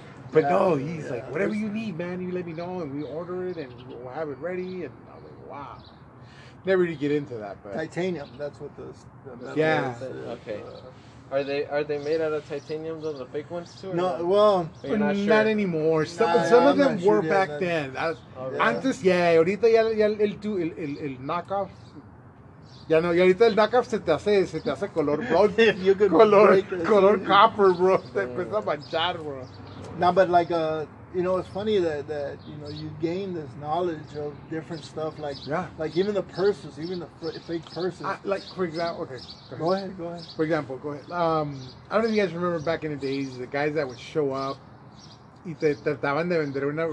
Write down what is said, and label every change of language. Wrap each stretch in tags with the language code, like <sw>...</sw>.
<en>But yeah, no, he's like, whatever you need, man, you let me know, and we order it, and we'll have it ready, and I'm like, wow. Never really get into that, but... Titanium, that's what those... Okay. Are they made out of titanium, though, the fake ones, too? No, well... You're not sure? Not anymore. Some of them were back then.</en> <es>Ahorita ya el knockoff... Ya no, y ahorita el knockoff se te hace</es> <en>color blonde. color copper,</en> <es>bro. Te empieza a manchar, bro.</es> <en>Now, but like, you know, it's funny that you know, you gain this knowledge of different stuff, like, like even the purses, even the fake purses. For example, go ahead. I don't know if you guys remember back in the days, the guys that would show up,</en> <es>y te trataban de vender una.</es>